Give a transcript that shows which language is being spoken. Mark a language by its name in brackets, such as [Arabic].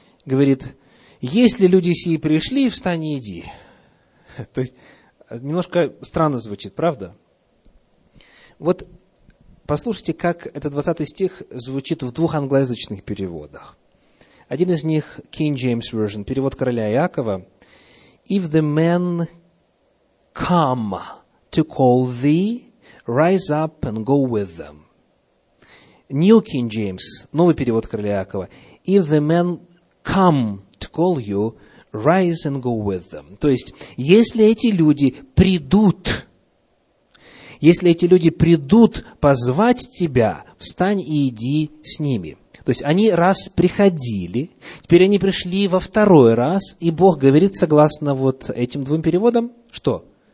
[Russian] Говорит, если люди сии пришли, встань и иди. То есть, немножко странно звучит, правда? Вот послушайте, как этот 20 стих звучит в двух англоязычных переводах. Один из них King James Version, перевод короля Иакова. [English] If the men come to call thee, rise up and go with them. [Russian] New King James, новый перевод короля Иакова. [English] If the men come to call you, rise and go with them. [Russian] То есть, если эти люди придут, если эти люди придут позвать тебя, встань и иди с ними. То есть, они раз приходили, теперь они пришли во второй раз, и Бог говорит, согласно вот этим двум переводам, что?